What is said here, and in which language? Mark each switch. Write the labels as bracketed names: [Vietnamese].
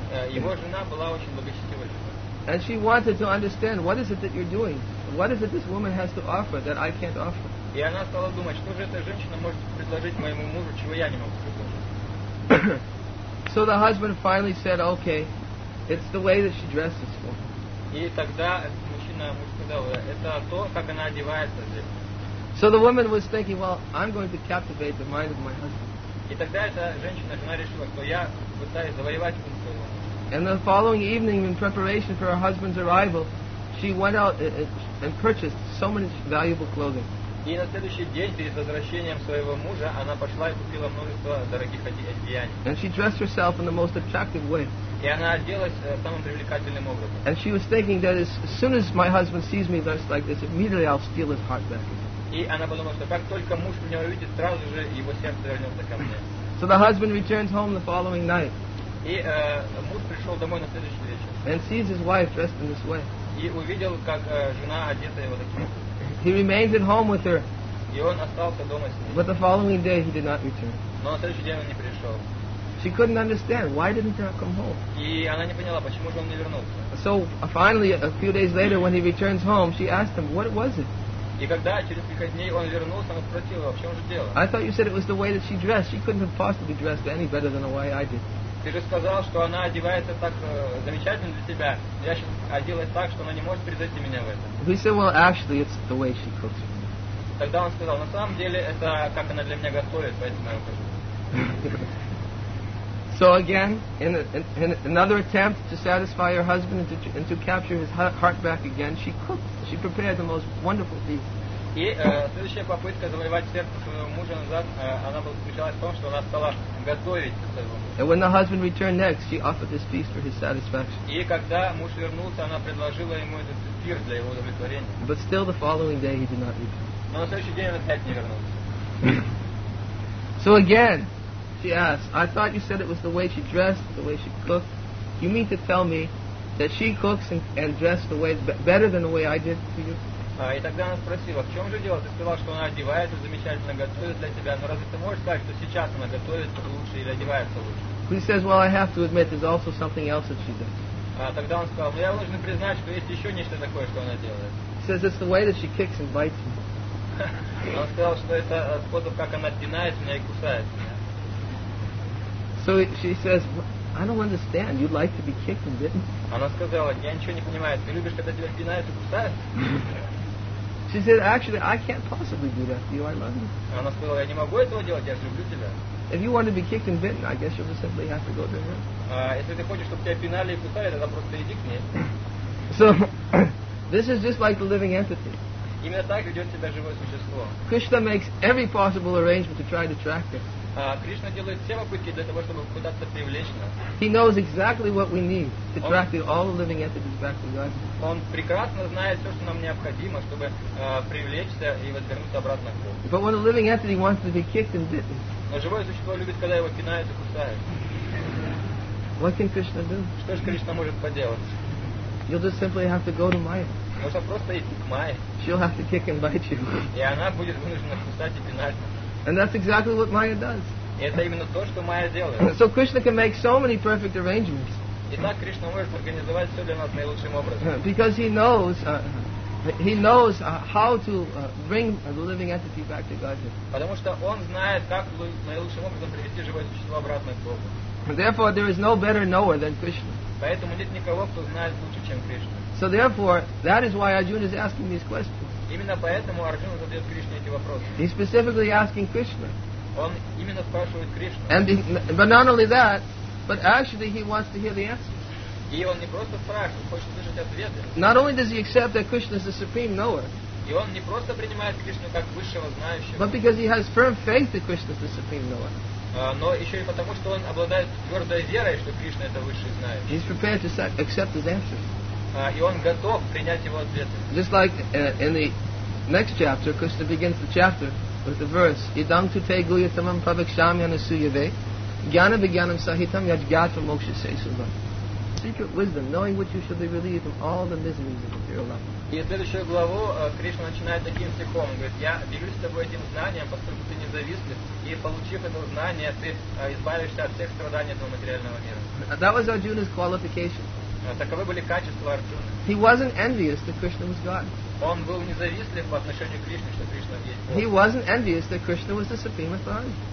[Russian] Его жена была очень благочестивой женой. [English] And she wanted to understand what is it that you're doing? What is it this woman has to offer that I can't offer? [Russian] И она стала думать, что же эта женщина может предложить моему мужу, чего я не могу предложить. [English] So the husband finally said, okay, it's the way that she dresses for me. [Russian] И тогда мужчина ему сказал, это то, как она одевается здесь. [English] So the woman was thinking, well, I'm going to captivate the mind of my husband. [Russian] И тогда эта женщина, жена решила, что я пытаюсь завоевать ум своего. [English] And the following evening, in preparation for her husband's arrival, she went out and purchased so much valuable clothing. [Russian] И на следующий день перед возвращением своего мужа она пошла и купила множество дорогих одеяний. [English] And she dressed herself in the most attractive way. [Russian] И она оделась самым привлекательным образом. [English] And she was thinking that as soon as my husband sees me dressed like this, immediately I'll steal his heart back. [Russian] И она подумала, что как только муж меня увидит, сразу же его сердце вернется ко мне. [English] So the husband returns home the following night. [Russian] И муж пришел домой на следующий вечер. [English] And sees his wife dressed in this way. [Russian] И увидел, как жена одета его таким. [English] He remains at home with her. [Russian] И он остался дома с ней. [English] But the following day he did not return. [Russian] Но на следующий день он не пришел. [English] She couldn't understand why didn't he come home. [Russian] И она не поняла, почему же он не вернулся. [English] So finally, a few days later, when he returns home, she asked him, "What was it?" [Russian] И когда через несколько дней он вернулся, она спросила, в чем же дело? [English] I thought you said it was the way that she dressed. She couldn't have possibly dressed any better than the way I did. [Russian] Ты же сказал, что она одевается так замечательно для тебя. Я сейчас оделась так, что она не может превзойти меня в этом. [English] He said, "Well, actually, it's the way she cooks." [Russian] Тогда он сказал, на самом деле это как она для меня готовит, поэтому я ухожу. [English] So again, in another attempt to satisfy her husband and to capture his heart back again, she cooked. She prepared the most wonderful feast. [Russian] И следующая попытка завоевать сердце своего мужа назад, она заключалась в том, что она стала готовить своего мужа. [English] And when the husband returned next, she offered this feast for his satisfaction. [Russian] И когда муж вернулся, она предложила ему этот пир для его удовлетворения. [English] But still, the following day, he did not return. [Russian] Но на следующий день он опять не вернулся. [English] So again. She asked, "I thought you said it was the way she dressed, the way she cooked. You mean to tell me that she cooks and dresses the way better than the way I did to you?" [Russian] И тогда она спросила, "В чем же дело? Ты сказал, что она одевается замечательно, готовит для тебя. Но разве ты можешь сказать, что сейчас она готовит лучше или одевается лучше?" [English] He says, "Well, I have to admit, there's also something else that she does." [Russian] Тогда он сказал, "Но я должен признать, что есть еще нечто такое, что она делает." [English] He says, "It's the way that she kicks and bites me." [Russian] Он сказал, что это способ, как она пинает меня и кусает. [English] So she says, "I don't understand. You'd like to be kicked and bitten?" [Russian] Она сказала, "Я ничего не понимаю. Ты любишь, когда тебя пинают и кусают?" [English] She said, "Actually, I can't possibly do that to you. I love you." [Russian] Она сказала, "Я не могу этого делать. Я же люблю тебя." [English] If you want to be kicked and bitten, I guess you'll just simply have to go to her. [Russian] Если ты хочешь, чтобы тебя пинали и кусали, тогда просто иди к ней. [English] So this is just like the living entity. [Russian] Именно так ведет себя живое существо. [English] Krishna makes every possible arrangement to try to attract us. [Russian] Кришна делает все попытки для того, чтобы куда-то привлечь нас. [English] He knows exactly what we need to attract all the living entities back to God. [Russian] Он прекрасно знает все, что нам необходимо, чтобы привлечься и вернуться обратно к Богу. [English] But when a living entity wants to be kicked and bitten, [Russian] но живое существо любит, когда его пинают и кусают. [English] What can Krishna do? [Russian] Что же Кришна может поделать? [English] You'll just simply have to go to Maya. [Russian] Нужно просто идти к Майе. [English] She'll have to kick and bite you. [Russian] И она будет вынуждена кусать и пинать. [English] And that's exactly what Maya does. [Russian] Это именно то, что Майя делает. [English] So Krishna can make so many perfect arrangements. [Russian] Итак, Кришна может организовать все для нас наилучшим образом. [English] Because he knows how to bring the living entity back to Godhead. [Russian] Потому что он знает, как наилучшим образом привести живое существо обратно к Богу. [English] Therefore, there is no better knower than Krishna. [Russian] Поэтому нет никого, кто знает лучше, чем Кришна. [English] So therefore, that is why Arjuna is asking these questions. [Russian] Именно поэтому Арджуна задает Кришне эти вопросы. [English] He's specifically asking Krishna. [Russian] Он именно спрашивает Кришну. [English] But not only that, but actually he wants to hear the answers. [Russian] И он не просто спрашивает, он хочет слышать ответы. [English] Not only does he accept that Krishna is the supreme knower. [Russian] И он не просто принимает Кришну как высшего знающего. [English] But because he has firm faith that Krishna is the supreme knower. [Russian] Но еще и потому, что он обладает твердой верой, что Кришна это высший знающий. [English] He's prepared to accept his answers. [Russian] И он готов принять его ответы. [English] Just like in the next chapter, Krishna begins the chapter with the verse, [Sanskrit] Idam tu te guyatamam pavakshami anasuyave jnana vijnanam sahitam yajgatva moksha sesuva. [English] Secret wisdom, knowing which you shall be relieved from all the miseries of material life. [Russian] И в следующую главу Кришна начинает таким стихом. Он говорит, я делюсь с тобой этим знанием, поскольку ты независлив, и получив это знание, ты избавишься от всех страданий этого материального мира. [English] That was Arjuna's qualification. [Russian] Таковы были качества Арджуны. [English] He wasn't envious that Krishna was God. [Russian] Он был независтлив по отношению к Кришне, что Кришна есть Бог. [English] He wasn't envious that Krishna was the supreme authority.